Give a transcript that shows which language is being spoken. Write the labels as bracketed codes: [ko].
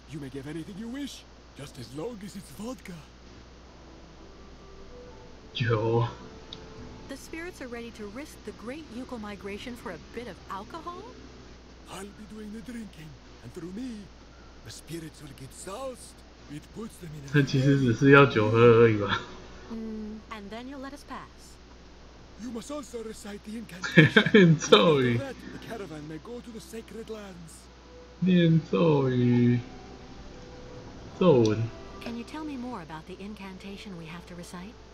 [en] You may give anything you wish, just as long as it's vodka. Joe. The spirits are ready to risk the great Yukel migration for a bit of alcohol? I'll be doing the drinking, and through me, the spirits will get soused. It puts them in a... [zh] 其实只是要酒喝而已吧。 [en] And then you'll let us pass. You must also recite the incantation. [zh] 念咒语。 [en] The caravan may go to the sacred lands. [zh] 念咒语。咒文。 [en] Can you tell me more about the incantation we have to recite?